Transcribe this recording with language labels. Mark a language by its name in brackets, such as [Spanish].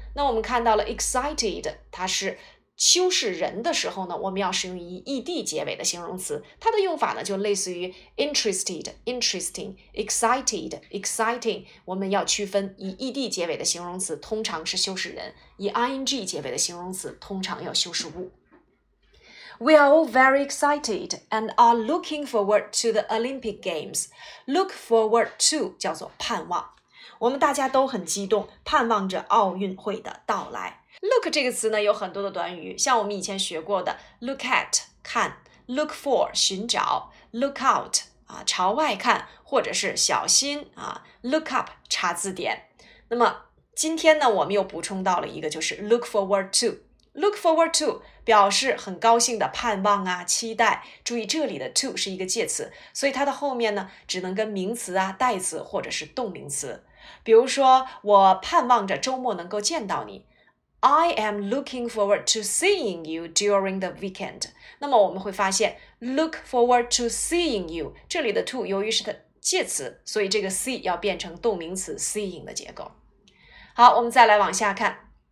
[Chinese] 那我们看到了 excited， 它是修饰人的时候呢，我们要使用以 ed 结尾的形容词。它的用法呢，就类似于 interested, interesting, excited, exciting。我们要区分以 ed 结尾的形容词通常是修饰人，以 ing 结尾的形容词通常要修饰物。 [English] We are all very excited and are looking forward to the Olympic Games. [Chinese] Look forward to 叫做盼望，我们大家都很激动，盼望着奥运会的到来。 Look 这个词呢，有很多的短语，像我们以前学过的 look at 看， look for 寻找， look out 朝外看，或者是小心look up 查字典。那么今天呢，我们又补充到了一个，就是 look forward to。 Look forward to 表示很高兴的盼望啊，期待。注意这里的 to 是一个介词，所以它的后面呢只能跟名词啊、代词或者是动名词。比如说，我盼望着周末能够见到你。 [English] I am looking forward to seeing you during the weekend. [Chinese] 那么我们会发现 ， [English] look forward to seeing you [Chinese] 这里的 to 由于是个介词，所以这个 see 要变成动名词 seeing 的结构。好，我们再来往下看。